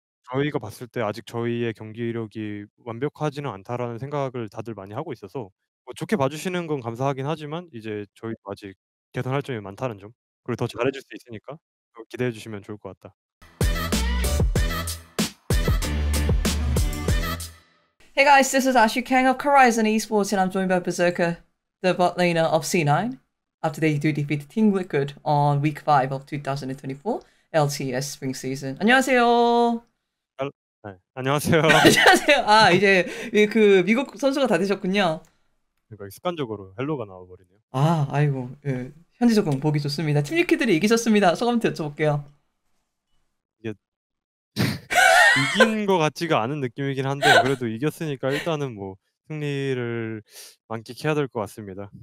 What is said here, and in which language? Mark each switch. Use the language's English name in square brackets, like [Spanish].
[Korean] 저희가 봤을 때 아직 저희의 경기력이 완벽하지는 않다라는 생각을 다들 많이 하고 있어서 뭐 좋게 봐주시는 건 감사하긴 하지만 이제 저희도 아직 개선할 점이 많다는 점, 그리고 더 잘해줄 수 있으니까 기대해 주시면 좋을 것 같다. [English] Hey guys, this is Ash, King of Horizon Esports, and I'm joined by Berserker, the bot laner of C9, after they do defeat Team Liquid on week 5 of 2024 LCS Spring Season. [Korean] 안녕하세요. 네, 안녕하세요. 안녕하세요. 아, 이제 그 미국 선수가 다 되셨군요. 습관적으로 헬로가 나와버리네요. 아, 아이고. 예, 현지 조금 보기 좋습니다. 팀 리퀴드를 이기셨습니다. 소감 좀 여쭤볼게요. 이긴 것 같지가 않은 느낌이긴 한데, 그래도 이겼으니까 일단은 뭐 승리를 만끽해야 될것 같습니다.